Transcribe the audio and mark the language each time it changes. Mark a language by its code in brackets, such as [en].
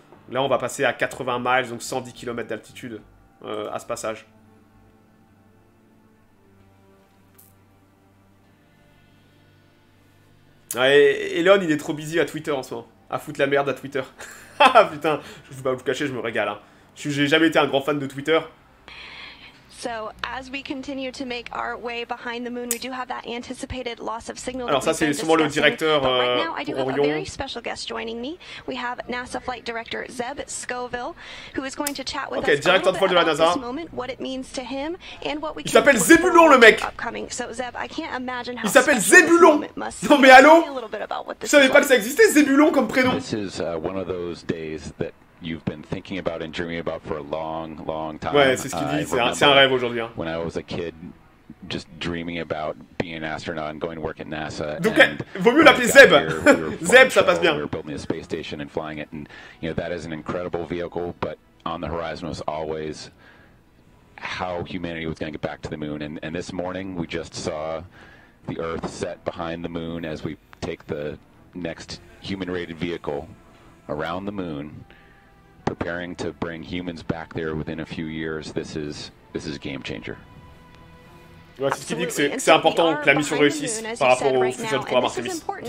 [fr] Là, on va passer à 80 miles, donc 110 km d'altitude à ce passage. Ouais, Elon, il est trop busy à Twitter en ce moment. À foutre la merde à Twitter. Ah putain, je vais pas vous cacher, je me régale. Hein. J'ai jamais été un grand fan de Twitter. [en] So, as we continue to make our way behind the moon, we do have that anticipated loss of signal. [fr] Alors ça, c'est sûrement le directeur pour [en] Orion. A very special guest joining me. We have NASA flight director Zeb Scoville, who is going to chat with us. [fr] OK, directeur de vol de la NASA. [en] Moment, what it means to him and what we can. [fr] Il s'appelle Zebulon, le mec. [en] So, Zeb, I can't imagine how. [fr] Il s'appelle Zebulon. Non mais allô. Je savais pas que ça existait, Zebulon comme prénom. [en] This is one of those days that you've been thinking about and dreaming about for a long, long time. [fr] Ouais, c'est ce qu'il dit, c'est un rêve aujourd'hui. Hein. [en] When I was a kid, just dreaming about being an astronaut and going to work at NASA. [fr] Donc, [en] and [fr] vaut mieux l'appeler Zeb. Zeb, ça passe bien. [en] We were building a space station and flying it, and you know, that is an incredible vehicle, but on the horizon was always how humanity was going to get back to the moon. And this morning, we just saw the Earth set behind the moon as we take the next human-rated vehicle around the moon. Preparing to bring humans back there within a few years, this is game changer. [fr] Ouais, c'est ce qu'il dit, que c'est important que la mission réussisse par rapport au futur du programme Artemis.